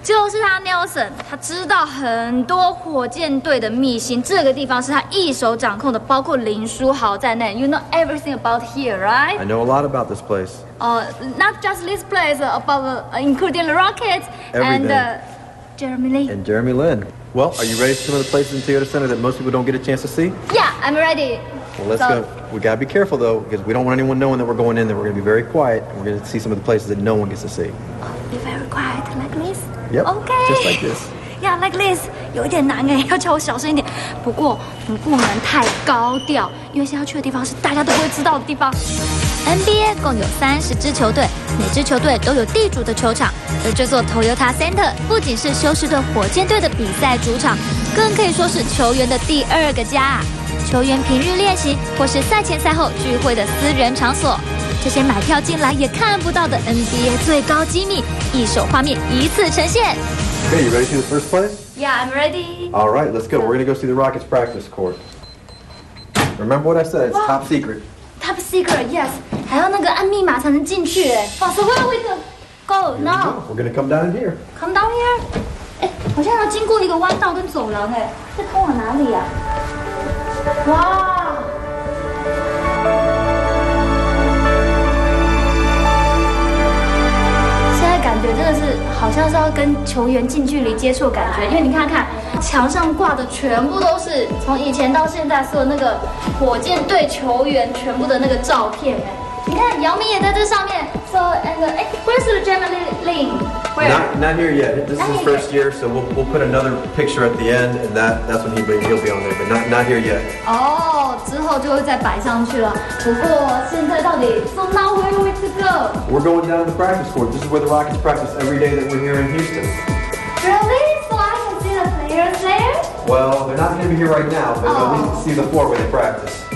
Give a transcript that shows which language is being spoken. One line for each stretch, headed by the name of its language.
Chinese: 就是他 Nelson, 他知道很多火箭队的秘辛，这个地方是他一手掌控的，包括林书豪在内。
English: You know everything about here, right? I know a lot about this place. Not just this place, about including the Rockets. Everything. And Jeremy Lin. Well, are you ready to come to the places in Toyota Center that most people don't get a chance to see? Yeah, I'm ready. Well, let's go. We gotta be careful though, because we don't want anyone knowing that we're going in there. We're gonna be very quiet. And we're gonna see some of the places that no one gets to see. Be very quiet, like this. Yep. Okay. Just like this. Yeah, like this.
Chinese: 有点难哎，要叫我小声一点。不过我们不能太高调，因为现在要去的地方是大家都会知道的地方。 NBA 共有30支球队，每支球队都有地主的球场。而这座 Toyota Center 不仅是休斯顿火箭队的比赛主场，更可以说是球员的第二个家。球员平日练习或是赛前赛后聚会的私人场所，这些买票进来也看不到的 NBA 最高机密，一手画面一次呈现。
English: Okay, you ready to see the first place? Yeah, I'm ready. All right, let's go. We're gonna go see the Rockets practice court. Remember what I said? It's top secret. Top secret, yes.
Chinese: 还要那个按密码才能进去。
English: So where are we gonna go now? We're gonna come down here. Come down here?
Chinese: 哎，好像要经过一个弯道跟走廊哎，这通往哪里呀？哇！现在感觉真的是好像是要跟球员近距离接触的感觉，因为你看看墙上挂的全部都是从以前到现在所有那个火箭队球员全部的那个照片。你看姚明也在这上面。
English: So and where's the Jeremy Lin? Not here yet. This is his first year, so we'll put another picture at the end, and that's when he'll be on there. But not here yet.
Chinese: Oh, 之后就会再摆上去了。不过现在到底
English: so now where are we to go? We're going down to the practice court. This is where the Rockets practice every day that we're here in Houston. Really? So I can see the players there? Well, they're not going to be here right now, but we can see the floor where they practice.